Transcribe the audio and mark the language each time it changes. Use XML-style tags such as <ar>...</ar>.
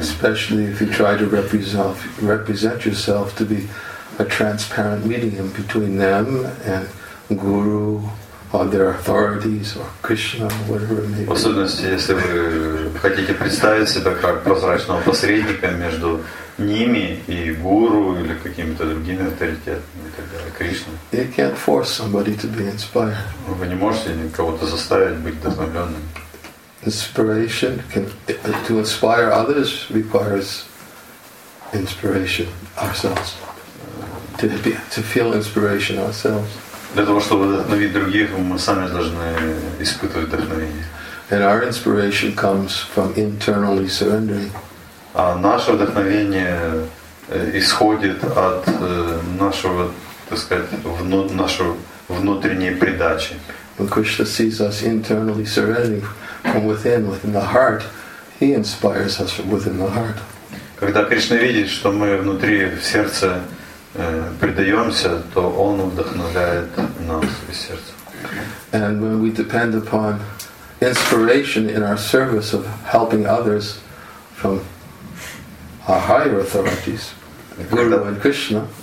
<en>Especially if you try to represent yourself to be a transparent medium between them and guru or their authorities or Krishna or whatever it may be.</en> <ru>В особенности, если вы хотите представить себя как прозрачного посредника между ними и гуру или какими-то другими авторитетами, Кришна.</ru> <en>You can't force somebody to be inspired.</en> <ru>Вы не можете кого-то заставить быть вдохновленным.</ru> <en>Inspiration can to inspire others requires inspiration ourselves. To feel inspiration ourselves.</en> <ru>Для того, чтобы вдохновить других, мы сами должны испытывать вдохновение.</ru> <en>And our inspiration comes from internally surrendering.</en> <ru>А наше вдохновение исходит от нашего, так сказать, нашего внутренней придачи.</ru> <en>When Krishna sees us internally surrendering from within the heart, he inspires us from within the heart.</en> <ru>Когда Кришна видит, что мы внутри в сердце предаемся, то он вдохновляет нас из сердца.</ru> <en>And when we depend upon inspiration in our service of helping others from our higher authorities, Guru and Krishna.</en>